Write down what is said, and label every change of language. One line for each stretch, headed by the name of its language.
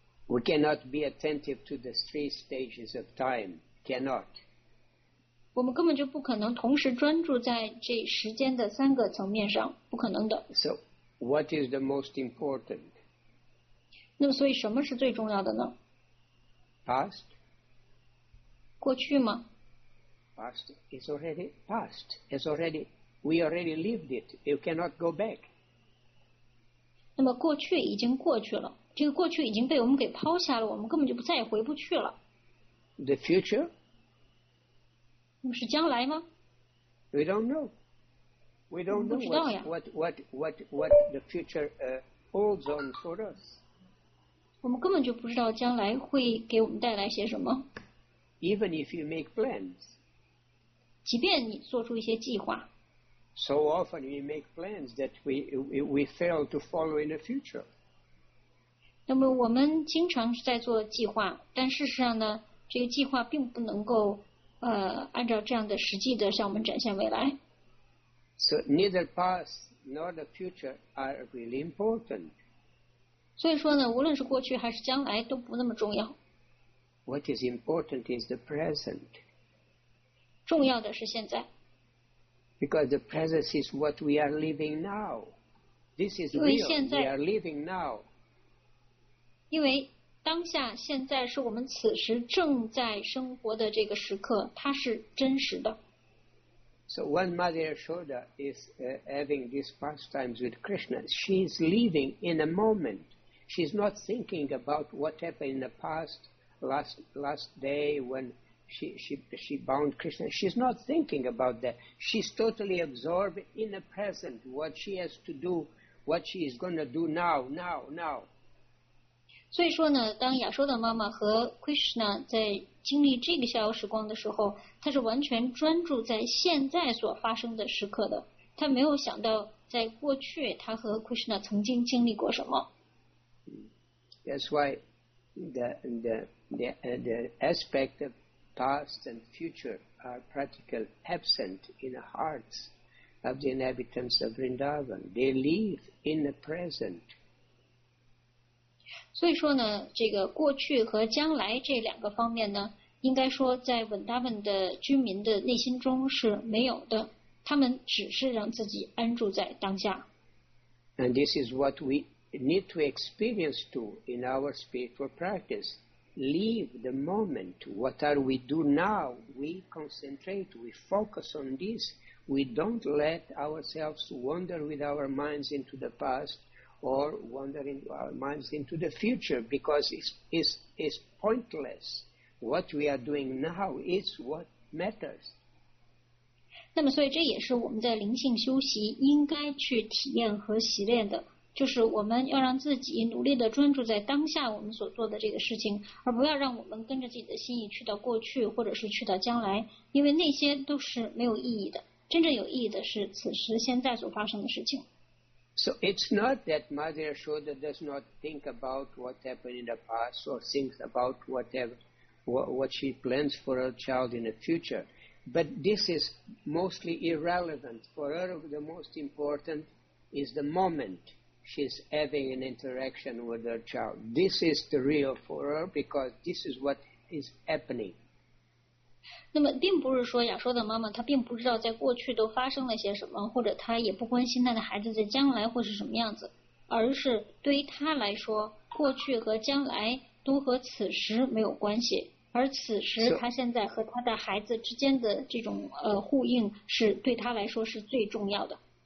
English: We cannot be attentive to the three stages of time. Cannot.
Chinese: 我们根本就不可能同时专注在这时间的三个层面上，不可能的。
English: So, what is the most important?
Chinese: 那么，所以什么是最重要的呢
English: ？Past.
Chinese: 过去吗
English: ？Past is already past. Is already we already lived it. You cannot go back.
Chinese: 那么过去已经过去了。这个过去已经被我们给抛下了，我们根本就再也回不去了。
English: The future?
Chinese: 是将来吗
English: ？We don't know. We don't know what the future holds on for us.
Chinese: 我们根本就不知道将来会给我们带来些什么。
English: Even if you make plans.
Chinese: 即便你做出一些计划。
English: So often we make plans that we fail to follow in the future.
Chinese: 那么我们经常是在做计划，但事实上呢，这个计划并不能够按照这样的实际的向我们展现未来。
English: So neither past nor the future are really important.
Chinese: 所以说呢，无论是过去还是将来都不那么重要。
English: What is important is the present.
Chinese: 重要的是现在。
English: Because the present is what we are living now. This is real. We are living now.
Chinese: 因为当下现在是我们此时正在生活的这个时刻，它是真实的。
English: So one mother Yashoda is having these pastimes with Krishna. She is living in a moment. She is not thinking about what happened in the past, last day when she bound Krishna. She is not thinking about that. She is totally absorbed in the present. What she has to do, what she is going to do now.
Chinese: 所以说呢，当亚修的妈妈和 Krishna 在经历这个逍遥时光的时候，她是完全专注在现在所发生的时刻的。她没有想到在过去她和 Krishna 曾经经历过什么。
English: That's why the aspect of past and future are practically absent in the hearts of the inhabitants of Vrindavan. They live in the present.
Chinese: 所以说呢，这个过去和将来这两个方面呢，应该说在文达文的居民的内心中是没有的，他们只是让自己安住在当下。
English: And this is what we need to experience to in our spiritual practice. Leave the moment. What are we do now? We concentrate, we focus on this. We don't let ourselves wander with our minds into the past. Or wandering our minds into the future because it's pointless. What we are doing now is what matters.
Chinese: 那么，所以这也是我们在灵性修习应该去体验和习练的，就是我们要让自己努力的专注在当下我们所做的这个事情，而不要让我们跟着自己的心意去到过去或者是去到将来，因为那些都是没有意义的。真正有意义的是此时现在所发生的事情。
English: So it's not that Mother Yashoda does not think about what happened in the past or thinks about what she plans for her child in the future. But this is mostly irrelevant. For her, the most important is the moment she's having an interaction with her child. This is the real for her because this is what is happening.
Chinese: 那么并不是说亚修的妈妈她并不知道在过去都发生了些什么，或者她也不关心她的孩子在将来会是什么样子，而是对于她来说，过去和将来都和此时没有关系，而此时她现在和她的孩子之间的这种呼应是对她来说是最重要的。